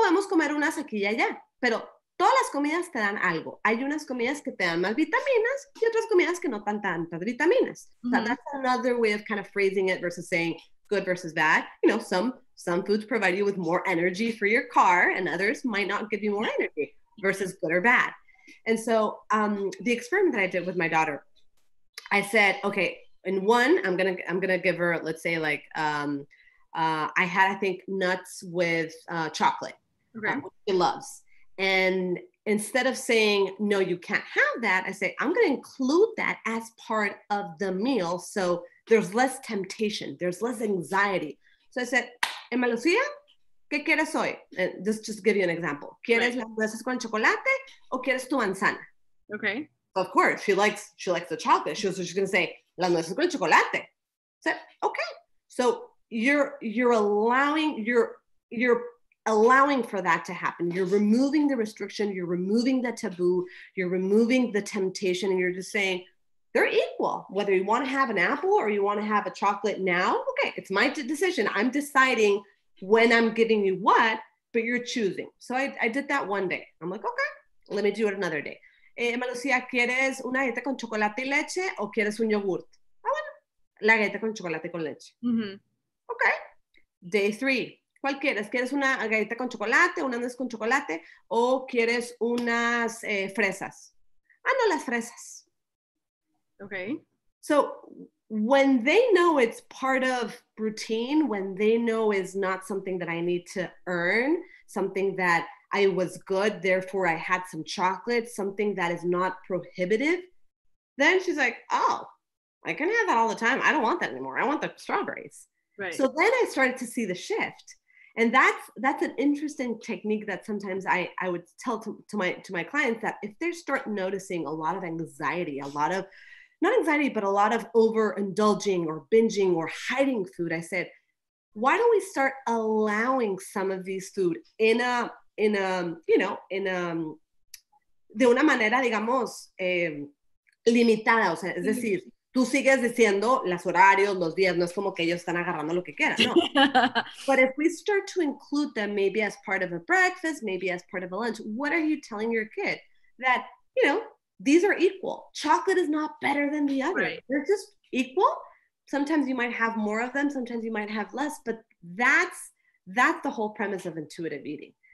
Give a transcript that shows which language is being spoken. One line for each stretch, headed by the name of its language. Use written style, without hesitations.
Spanish: podemos comer unas aquí y allá, pero todas las comidas te dan algo. Hay unas comidas que te dan más vitaminas y otras comidas que no dan tantas vitaminas.
English: Mm-hmm. So that's another way of kind of phrasing it versus saying good versus bad. You know, some foods provide you with more energy for your car and others might not give you more energy versus good or bad. And so the experiment that I did with my daughter, I said, okay, in one, I'm gonna give her, let's say like, I had, I think, nuts with chocolate, okay. She loves. And instead of saying, no, you can't have that, I say, I'm gonna include that as part of the meal. So there's less temptation, there's less anxiety. So I said, Emma Lucia,
Spanish: ¿qué quieres hoy?
English: Just give you an example.
Spanish: ¿Quieres las nueces con chocolate o quieres tu manzana?
English: Okay. Of course, she likes the chocolate. She's gonna say,
Spanish: las nueces con chocolate.
English: I said, okay. So you're allowing for that to happen. You're removing the restriction, you're removing the taboo, you're removing the temptation, and you're just saying, they're equal. Whether you want to have an apple or you want to have a chocolate now, okay, it's my decision. I'm deciding when I'm giving you what, but you're choosing. So I did that one day. I'm like, okay, let me do it another day.
Spanish: Emma Lucia, ¿quieres una galleta con chocolate y leche o quieres un yogurt? Ah, bueno, la galleta con chocolate y con leche. Mm-hmm.
English: Okay, day three.
Spanish: ¿Cuál quieres? ¿Quieres una galleta con chocolate, una nuez con chocolate o quieres unas fresas? Ah, no, las fresas.
English: Okay. So when they know it's part of routine, when they know it's not something that I need to earn, something that I was good, therefore I had some chocolate, something that is not prohibitive, then she's like, oh, I can have that all the time. I don't want that anymore. I want the strawberries. Right. So then I started to see the shift. And that's an interesting technique that sometimes I would tell to my clients, that if they start noticing a lot of anxiety, a lot of, not anxiety, but a lot of overindulging or binging or hiding food, I said, why don't we start allowing some of these food
Spanish: de una manera, digamos, limitada. O sea, es decir, tú sigues diciendo los horarios, los días, no es como que ellos están agarrando lo que quieran, no.
English: But if we start to include them, maybe as part of a breakfast, maybe as part of a lunch, what are you telling your kid? That, you know, these are equal. Chocolate is not better than the other. Right. They're just equal. Sometimes you might have more of them, sometimes you might have less, but that's the whole premise of intuitive eating.